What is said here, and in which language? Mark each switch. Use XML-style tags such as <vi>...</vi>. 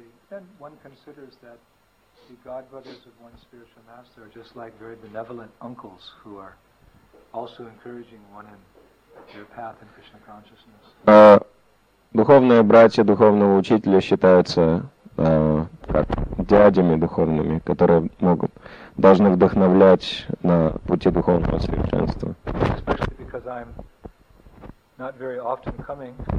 <en>Then one considers that the godbrothers of one spiritual master are just like very benevolent uncles who are also encouraging one in their path in Krishna consciousness.</en> <ru>Духовные братья духовного учителя считаются как дядями духовными, которые могут, должны вдохновлять на пути духовного совершенства.</ru> <en>Especially because I'm not very often coming.</en>